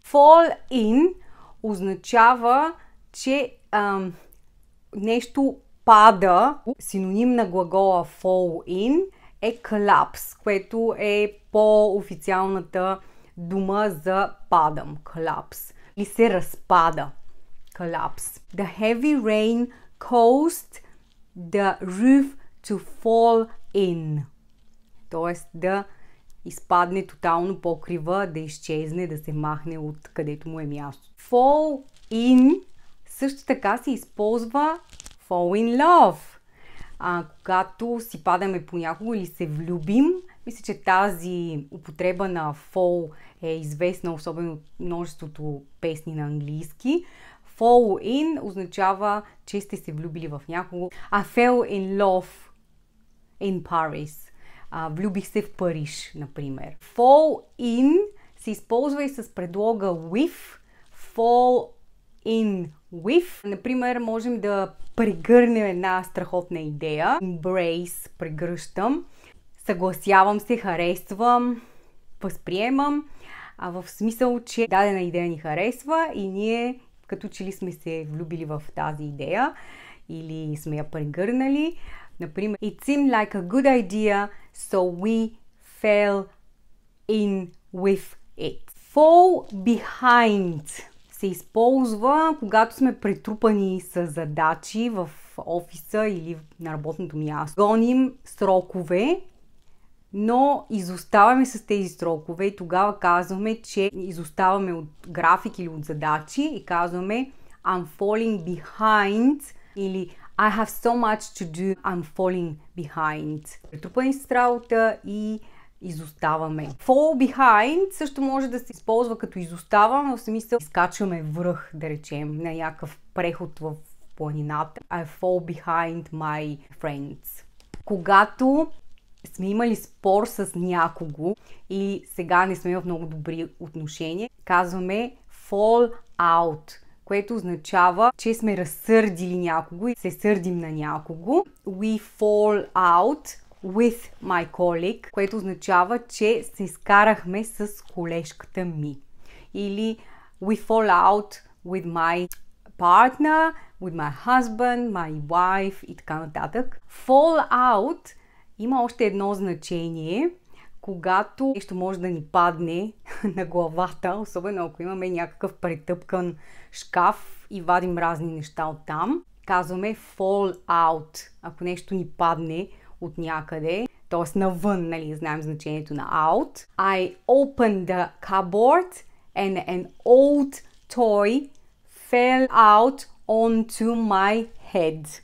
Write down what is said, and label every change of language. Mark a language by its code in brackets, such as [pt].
[bg] Fall in означава, че нещо пада. Синоним на глагола fall in е collapse, което е по-официалната дума за падам. Collapse. И се разпада. Collapse. [en] The heavy rain caused the roof to fall in. [bg] Тоест да изпадне тотално покрива, да изчезне, да се махне от където му е място. Fall in също така се използва fall in love. Когато си падаме по някого или се влюбим, мисля, че тази употреба на fall е известна, особено от множеството песни на английски. Fall in означава, че сте се влюбили в някого. [en] I fell in love in Paris. [bg] Влюбих се в Париж, например. Fall in се използва и с предлога with. [en] Fall in with. [bg] Например, можем да прегърнем една страхотна идея. Embrace, прегръщам. Съгласявам се, харесвам, възприемам. А в смисъл, че дадена идея ни харесва и ние като че ли сме се влюбили в тази идея или сме я прегърнали. Например, [en] It seemed like a good idea, so we fell in with it. [bg] Fall behind се използва, когато сме претрупани с задачи в офиса или на работното място. Гоним срокове, но изоставаме с тези срокове и тогава казваме, че изоставаме от график или от задачи и казваме [en] I'm falling behind [bg] или [en] I have so much to do. I'm falling behind. [bg] Претрупани с работа и изоставаме. Fall behind също може да се използва като изоставам, в смисъл изкачваме връх, да речем, на някакъв преход в планината. [en] I fall behind my friends. [bg] Когато сме имали спор с някого и сега не сме в много добри отношения, казваме fall out, което означава, че сме разсърдили някого и се сърдим на някого. [en] We fall out with my colleague, [bg] което означава, че се скарахме с колежката ми. Или [en] we fall out with my partner, with my husband, my wife [bg] и така нататък. Fall out има още едно значение, когато нещо може да ни падне на главата, особено ако имаме някакъв претъпкан шкаф и вадим разни неща от там. Казваме fall out, ако нещо ни падне от някъде, т.е. навън, нали, знаем значението на out. [en] I opened the cupboard and an old toy fell out onto my head.